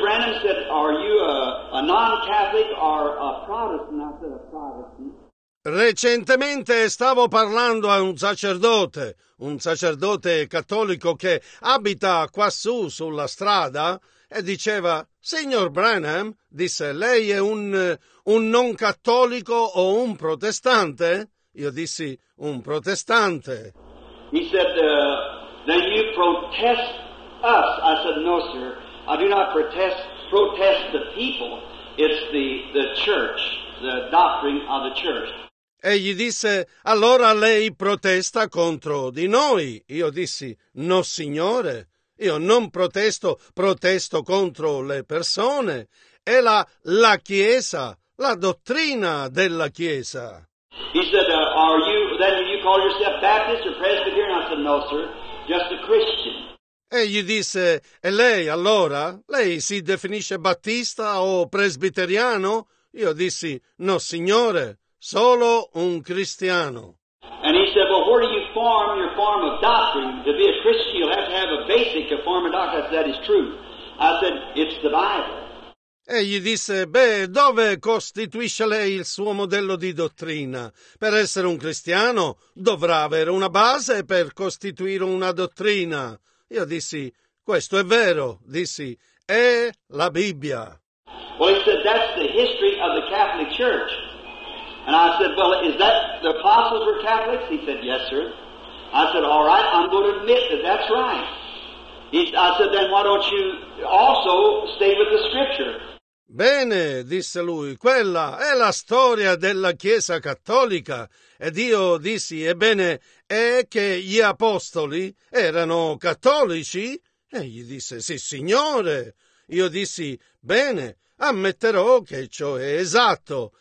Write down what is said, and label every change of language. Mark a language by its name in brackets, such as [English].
[English] Branham said, are you a non-Catholic or a Protestant? I said, a Protestant. [Italian] Recentemente stavo parlando a un sacerdote cattolico che abita quassù sulla strada, e diceva, signor Branham, disse, lei è un non cattolico o un protestante? Io dissi, un protestante. [English] He said, then you protest us. I said, no, sir, I do not protest the people, it's the church, the doctrine of the church. [Italian] E gli disse, allora lei protesta contro di noi. Io dissi, no signore, io non protesto, protesto contro le persone. È la Chiesa, la dottrina della Chiesa. [English] He said, are you, then you call yourself Baptist or Presbyterian? I said, no sir, just a Christian. [Italian] E gli disse, e lei allora, lei si definisce Battista o Presbiteriano? Io dissi, no signore. Solo un cristiano. [English] And he said, well, where do you form your form of doctrine? To be a Christian, you have to have a basic, a form of doctrine. That is true. I said, it's the Bible. [Italian] E gli disse, beh, dove costituisce lei il suo modello di dottrina? Per essere un cristiano dovrà avere una base per costituire una dottrina. Io dissi, questo è vero. Dissi, è la Bibbia. [English] Well, he said, that's the history of the Catholic Church. And I said, well, is that the apostles were Catholics? He said, yes, sir. I said, all right, I'm going to admit that that's right. I said, then why don't you also stay with the scripture? [Italian] Bene, disse lui, quella è la storia della Chiesa Cattolica. Ed io dissi, ebbene, è che gli apostoli erano cattolici? E gli disse, sì, signore. Io dissi, bene, ammetterò che ciò è esatto.